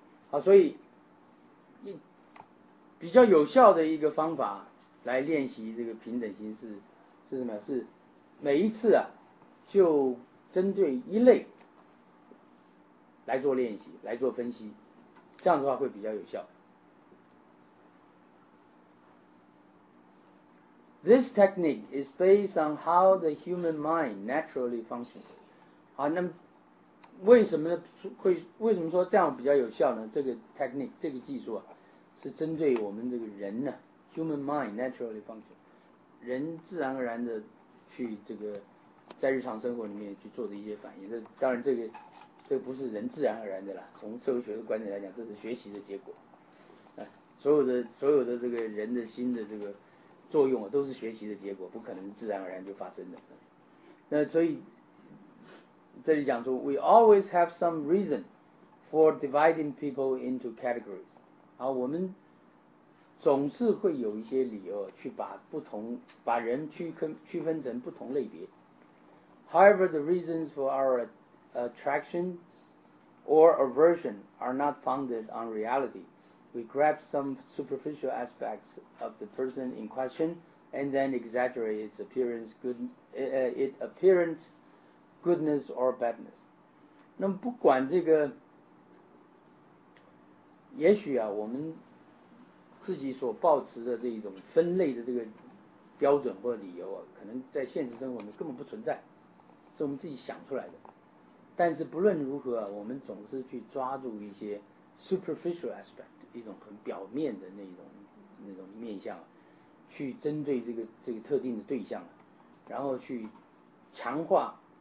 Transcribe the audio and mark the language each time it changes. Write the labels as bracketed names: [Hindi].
[Chinese] 好，所以比较有效的一个方法来练习这个平等心是什么？是每一次啊就针对一类来做练习，来做分析，这样的话会比较有效。 [English] This technique is based on how the human mind naturally functions。 [Chinese] 好，那为什么说这样比较有效呢？这个 technique 这个技术啊，是针对我们这个人呢 ， [English] human mind naturally function， [Chinese] 人自然而然的去这个在日常生活里面去做的一些反应。这当然这个不是人自然而然的啦，从社会学的观点来讲，这是学习的结果。所有的这个人的心的这个作用啊，都是学习的结果，不可能自然而然就发生的。那所以这里讲说 [English] ，we always have some reason for dividing people into categories。 [Chinese] 好，我们总是会有一些理由去把人区分成不同类别。 [English] However, the reasons for our attraction or aversion are not founded on reality. We grab some superficial aspects of the person in question and then exaggerate its appearance good, it apparent goodness or badness. [Chinese] 那么不管这个，也许啊，我们自己所抱持的这种分类的这个标准或理由啊，可能在现实生活里面根本不存在，是我们自己想出来的。但是不论如何，我们总是去抓住一些 [English] superficial aspect， [Chinese] 一种很表面的那种面向，去针对这个特定的对象，然后去强化。